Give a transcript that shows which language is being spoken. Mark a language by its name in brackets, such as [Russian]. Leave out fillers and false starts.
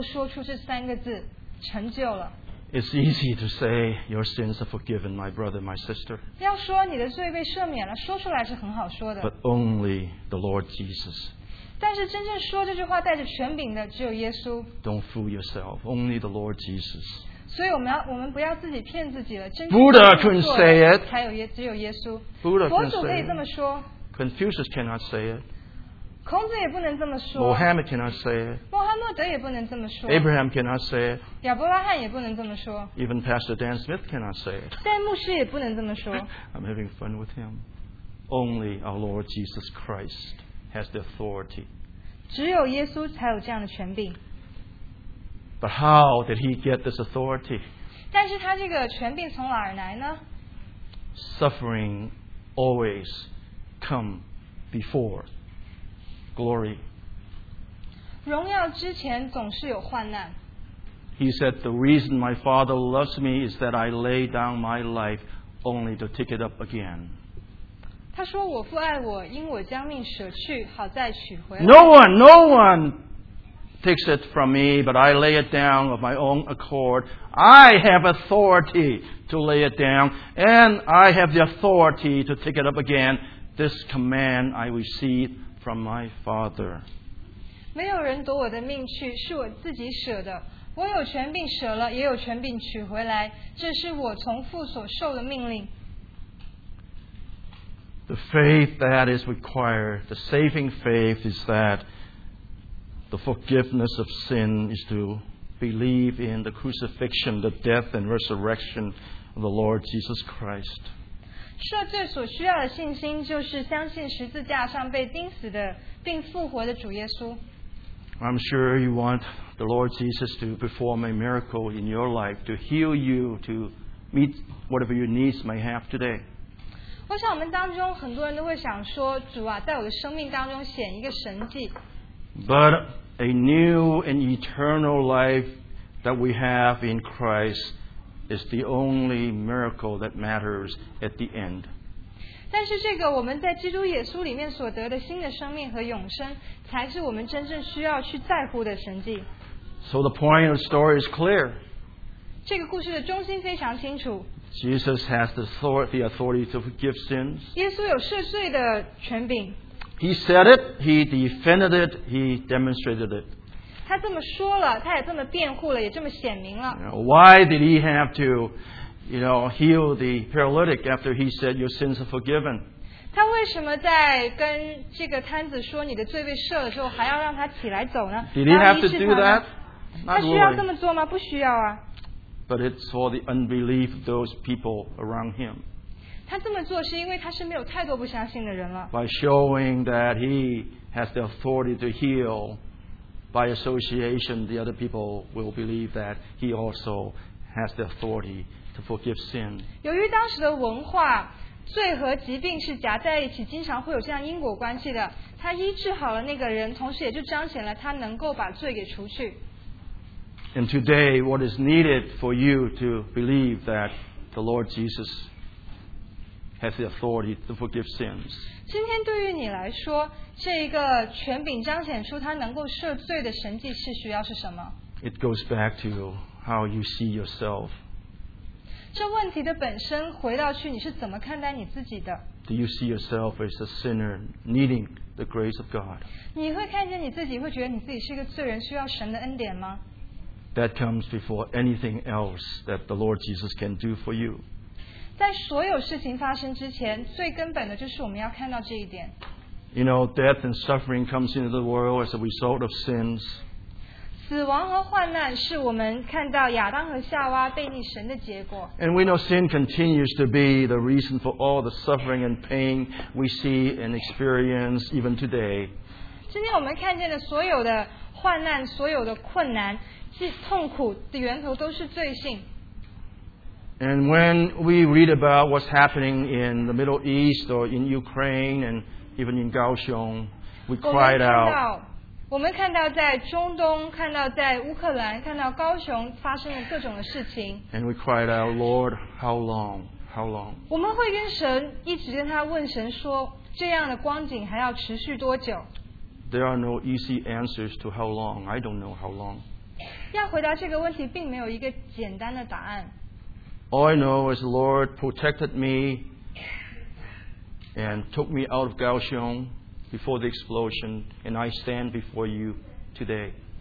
[Chinese] 但是要说到罪的赦免的话，只有耶稣能够说出这三个字，成就了。 [English] It's easy to say, your sins are forgiven, my brother, my sister. [Chinese] 要说你的罪被赦免了，说出来是很好说的。 [English] But only the Lord Jesus. [Chinese] 但是真正说这句话带着权柄的只有耶稣。 [English] Don't fool yourself, only the Lord Jesus. [Chinese] 所以我们不要自己骗自己了。Buddha [English] couldn't say it. [Chinese] 只有耶稣。 [English] Buddha couldn't say it. [Chinese] 佛祖可以这么说。 [English] Confucius cannot say it. [Chinese] 孔子也不能这么说。 [English] Mohammed cannot say it. [Chinese] 穆罕默德也不能这么说。 [English] Abraham cannot say it. [Chinese] 亚伯拉罕也不能这么说。 [English] Even Pastor Dan Smith cannot say it. [Chinese] 但牧师也不能这么说。 [English] I'm having fun with him. Only our Lord Jesus Christ has the authority. [Chinese] 只有耶稣才有这样的权柄。 [English] But how did he get this authority? [Chinese] 但是他这个权柄从哪儿来呢? [English] Suffering always come before glory. [Chinese] 荣耀之前总是有患难。 [English] He said, the reason my father loves me is that I lay down my life only to take it up again. [Chinese] 他说我父爱我因我将命舍去好再取回来。 [English] No one takes it from me, but I lay it down of my own accord. I have authority to lay it down, and I have the authority to take it up again. This command I received from my father. [Chinese] 没有人夺我的命去，是我自己舍的。我有权柄舍了，也有权柄取回来。这是我从父所受的命令。 [English] The faith that is required, the saving faith, is that the forgiveness of sin is to believe in the crucifixion, the death and resurrection of the Lord Jesus Christ. [Chinese] 赦罪所需要的信心就是相信十字架上被钉死的并复活的主耶稣。 [English] I'm sure you want the Lord Jesus to perform a miracle in your life, to heal you, to meet whatever your needs may have today. [Chinese] 我想我们当中很多人都会想说，主啊，在我的生命当中显一个神迹。 [English] But a new and eternal life that we have in Christ is the only miracle that matters at the end. [Chinese] 但是这个我们在基督耶稣里面所得的新的生命和永生才是我们真正需要去在乎的神迹。 [English] So the point of the story is clear. [Chinese] 这个故事的中心非常清楚。 [English] Jesus has the authority to forgive sins. [Chinese] 耶稣有赦罪的权柄。 [English] He said it, he defended it, he demonstrated it. [Chinese] 他这么说了，他也这么辩护了，也这么显明了。 [English] You know, why did he have to, you know, heal the paralytic after he said your sins are forgiven? [Chinese] 他为什么在跟这个瘫子说你的罪被赦了之后，还要让他起来走呢？ [English] Did he have to do that? Not really. [Chinese] 他需要这么做吗？不需要啊。 [English] But it's for the unbelief of those people around him. [Chinese] 他这么做是因为他身边有太多不相信的人了。 [English] By showing that he has the authority to heal, by association, the other people will believe that he also has the authority to forgive sin. [Chinese] 由于当时的文化，罪和疾病是夹在一起，经常会有这样因果关系的。他医治好了那个人，同时也就彰显了他能够把罪给除去。 [English] And today, what is needed for you to believe that the Lord Jesus has the authority to forgive sins? [Chinese] 今天对于你来说，这个权柄彰显出他能够赦罪的神迹是需要是什么？ [English] It goes back to how you see yourself. [Chinese] 这问题的本身回到去，你是怎么看待你自己的？ [English] Do you see yourself as a sinner needing the grace of God? [Chinese] 你会看见你自己，会觉得你自己是一个罪人，需要神的恩典吗？ [English] That comes before anything else that the Lord Jesus can do for you. [Chinese] 在所有事情发生之前，最根本的就是我们要看到这一点。 [English] You know, death and suffering comes into the world as a result of sins. [Chinese] 死亡和患难是我们看到亚当和夏娃背逆神的结果。 [English] And we know sin continues to be the reason for all the suffering and pain we see and experience even today. [Chinese] 今天我们看见的所有的患难、所有的困难、痛苦的源头都是罪性。 [English] And when we read about what's happening in the Middle East or in Ukraine and even in Kaohsiung, we cried out. [Chinese] 我们看到在中东，看到在乌克兰，看到高雄发生了各种的事情。 [English] And we cried out, Lord, how long? How long? [Chinese] 我们会跟神一直跟他问神说，这样的光景还要持续多久？ [English] There are no easy answers to how long. I don't know how long. [Chinese] 要回答这个问题，并没有一个简单的答案。 [English] All I know is the Lord protected me and took me out of Kaohsiung before the explosion, and I stand before you today.